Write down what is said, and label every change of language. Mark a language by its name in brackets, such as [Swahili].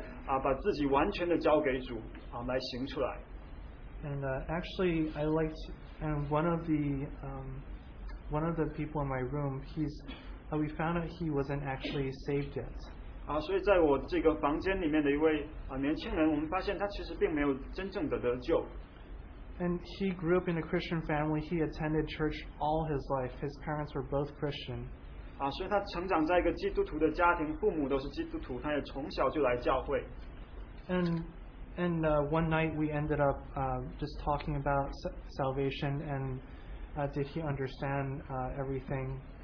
[Chinese] 但也是这样的难，就是让他们能够把自己完全的交给主，来行出来。 [English] And actually, I liked, and one of the people in my room, he's. We found out he wasn't actually saved yet. [Chinese] 所以在我这个房间里面的一位年轻人，我们发现他其实并没有真正的得救。 [English] And he grew up in a Christian family. He attended church all his life. His parents were both Christian. [Chinese] 所以他成长在一个基督徒的家庭，父母都是基督徒，他也从小就来教会。 [English] And one night we ended up just talking about salvation and did he understand everything?